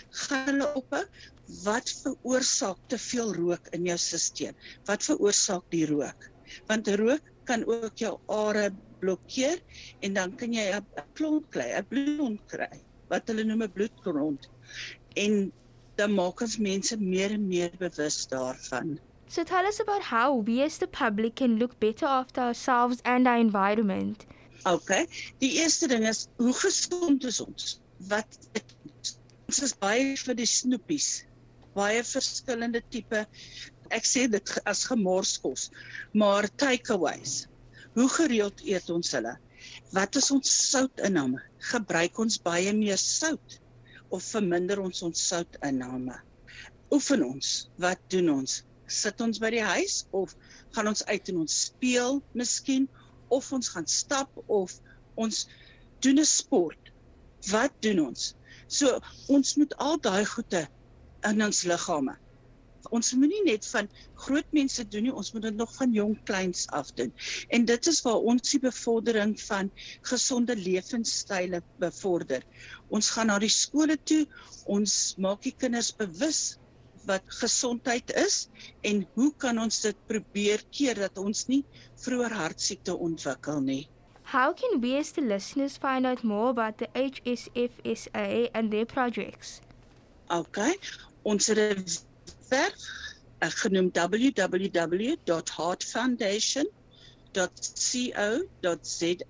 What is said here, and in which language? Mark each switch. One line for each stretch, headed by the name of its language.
Afrikaans: Gaan hulle op wat veroorsaak te veel rook in jou stelsel? Wat veroorsaak die rook? Want rook kan ook jou are blokkeer en dan kan jy 'n klont kry, 'n bloedklont kry, wat hulle noem 'n bloedklont. En dan maak ons mense meer en meer bewus daarvan.
English: So tell us about how we as the public can look better after ourselves and our environment.
Afrikaans: Okay, die eerste ding is, hoe gesond is ons? Wat het ons? Ons is baie vir die snoepies, baie verskillende tipe, ek sê dit as gemorskos, maar takeaways. Hoe gereeld eet ons hulle? Wat is ons soutinname? Gebruik ons baie meer sout of verminder ons soutinname? Oefen ons, wat doen ons? Sit ons by die huis of gaan ons uit en ons speel miskien? Of ons gaan stap of ons doen 'n sport? Wat doen ons? So ons moet al daai goede in ons liggame ons moenie net van groot mense doen nie, ons moet dit nog van jong kleins af doen. En dit is waar ons die bevordering van gesonde lewenstyle bevorder. Ons gaan na die skole toe, ons maak die kinders bewus wat gesondheid is en hoe kan ons dit probeer keer dat ons nie vroeër hartsiekte ontwikkel nie.
English: How can we as the listeners find out more about the HSFSA and their projects?
Afrikaans: Okay, ons webwerf genoem www.heartfoundation.co.za.